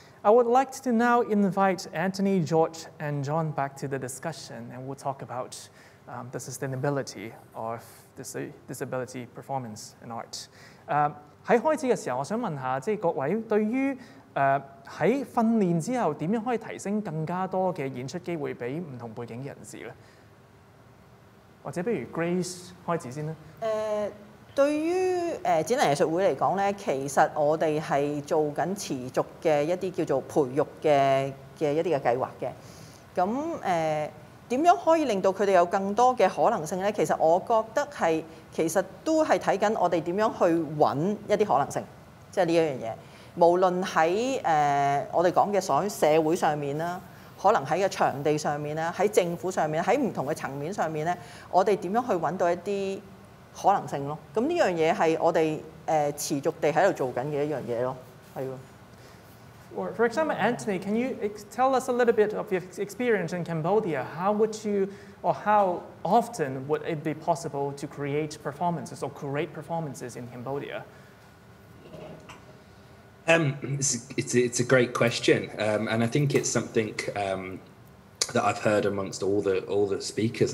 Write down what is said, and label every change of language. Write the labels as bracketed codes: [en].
[en] I would like to now invite Anthony, George, and John back to the discussion, and we'll talk about the sustainability of disability performance and art. [yue] 喺開始嘅時候，我想問下，即係各位對於喺訓練之後點樣可以提升更加多嘅演出機會俾唔同背景嘅人士咧？或者不如 Grace 開始先啦。對於展覽藝術會嚟講咧，其實我哋係做緊持續嘅一啲叫做培育嘅一啲嘅計劃嘅。咁點樣可以令到佢哋有更多嘅可能性咧？其實我覺得係其實都係睇緊我哋點樣去揾一啲可能性，即係呢一樣嘢。無論喺我哋講嘅所謂社會上面啦，可能喺嘅場地上面啦，喺政府上面，喺唔同嘅層面上面咧，我哋點樣去揾到一啲可能性咯？咁呢樣嘢係我哋持續地喺度做緊嘅一樣嘢咯，係喎。 [en] For example, Anthony, can you tell us a little bit of your experience in Cambodia? How would you, or how often would it be possible to create performances or curate performances in Cambodia? It's a great question, and I think it's something that I've heard amongst all the speakers.